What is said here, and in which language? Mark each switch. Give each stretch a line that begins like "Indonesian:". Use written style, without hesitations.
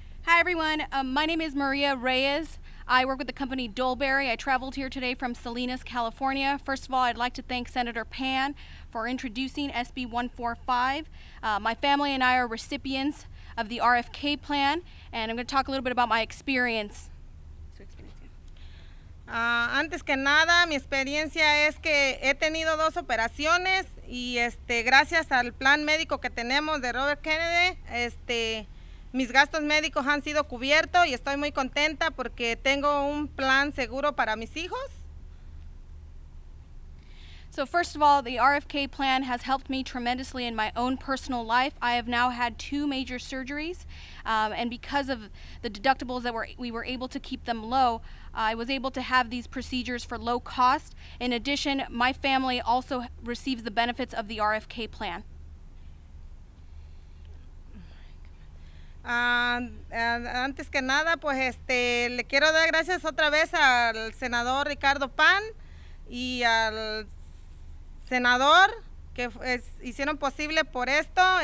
English: Hi everyone, my name is Maria Reyes. I work with the company Dolberry. I traveled here today from Salinas, California. First of all, I'd like to thank Senator Pan for introducing SB145. My family and I are recipients of the RFK plan, and I'm going to talk a little bit about my experience.
Spanish: Antes que nada, mi experiencia es que he tenido dos operaciones y gracias al plan médico que tenemos de Robert Kennedy, mis gastos médicos han sido cubiertos y estoy muy contenta porque tengo un plan seguro para mis hijos.
English: So first of all, the RFK plan has helped me tremendously in my own personal life. I have now had two major surgeries, and because of the deductibles that we were able to keep them low, I was able to have these procedures for low cost. In addition, my family also receives the benefits of the RFK plan.
Spanish: Antes que nada, pues le quiero dar gracias otra vez al senador Ricardo Pan y al senador que hicieron posible por esto,